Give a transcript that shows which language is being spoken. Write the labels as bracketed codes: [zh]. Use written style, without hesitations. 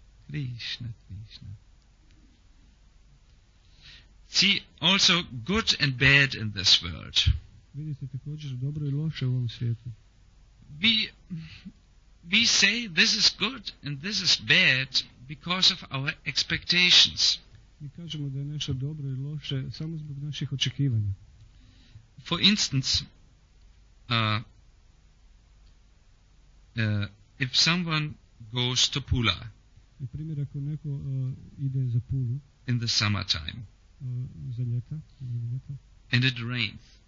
[en] Krishna, Krishna. see also good and bad in this world. [hr] Vidite također dobro i loše u ovom svijetu. [en] We say this is good and this is bad because of our expectations. [hr] Mi kažemo da je nešto dobro i loše samo zbog naših očekivanja. [en] For instance, if someone goes to Pula, [hr] na primjer ako neko ide za Pulu [en] in the summertime, [hr] za ljeta, [en] and it rains,